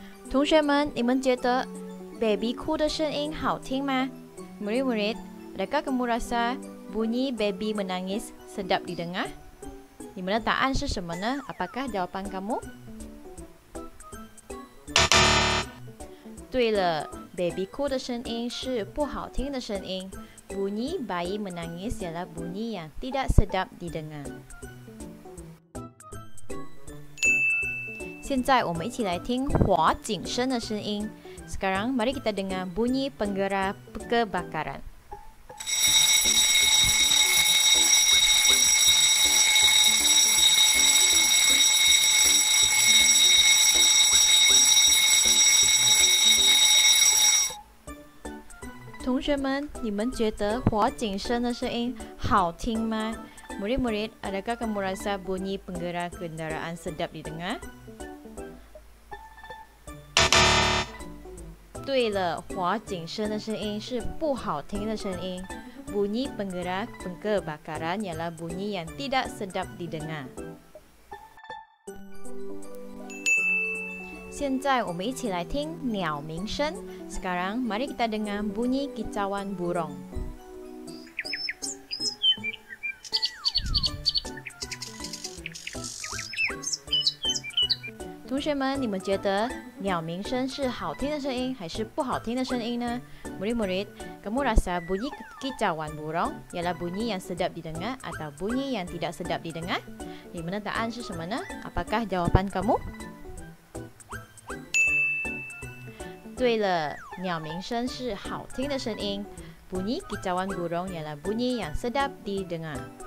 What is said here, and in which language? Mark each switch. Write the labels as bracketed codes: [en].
[zh] 同学们，你们觉得 baby 哭的声音好听吗 ？ [ms] Murid murid, adakah kamu rasa bunyi baby menangis sedap didengar? [zh] 你们的答案是什么呢 ？ [ms] Apakah jawapan kamu？ [zh] 对了 ，baby 哭的声音是不好听的声音。 [ms] Bunyi bayi menangis ialah bunyi yang tidak sedap didengar。 [zh] 现在我们一起来听火警声的声音。 [ms] Sekarang mari kita dengar bunyi penggerak kebakaran。 [zh] 同学们，你们觉得火警声的声音好听吗？ [ms] Murid-murid, adakah kamu rasa bunyi penggerak kendaraan sedap didengar？ [zh] 对了，火警声的声音是不好听的声音。 [ms] Bunyi penggerak pengebakaran ialah bunyi yang tidak sedap didengar。 [zh] 现在我们一起来听鸟鸣声。 [ms] Sekarang mari kita dengar bunyi kicauan burung。 [zh] 同学们，你们觉得鸟鸣声是好听的声音还是不好听的声音呢？ [ms] Murid-murid, kamu rasa bunyi kicauan burung ialah bunyi yang sedap didengar atau bunyi yang tidak sedap didengar? Di mana taan是什么呢？ Apakah jawapan kamu? [zh] 对了，鸟鸣声是好听的声音。 [ms] Bunyi kicauan burung ialah bunyi yang sedap didengar。